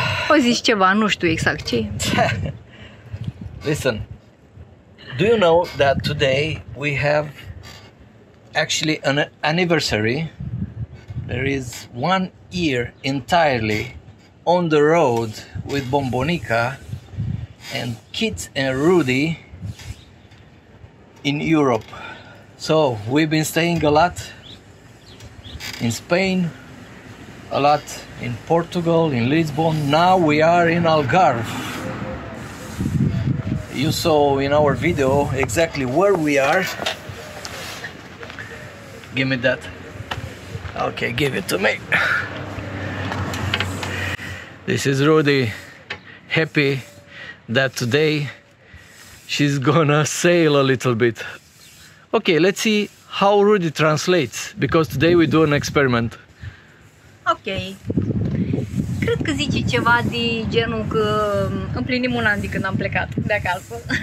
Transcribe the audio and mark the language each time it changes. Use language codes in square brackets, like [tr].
[ro] O zici ceva, nu știu exact ce. [en] Listen, do you know that today we have actually an anniversary? There is 1 year entirely on the road with Bombonica and Kitz and Rudy in Europe. So we've been staying a lot in Spain, a lot in Portugal, in Lisbon. Now we are in Algarve. You saw in our video exactly where we are. Give me that. Okay, give it to me. This is Rudy, happy that today she's gonna sail a little bit. Okay, let's see how Rudy translates, because today we do an experiment. Okay. [ro] Cred că zice ceva de genul că împlinim un an de când am plecat de acasă.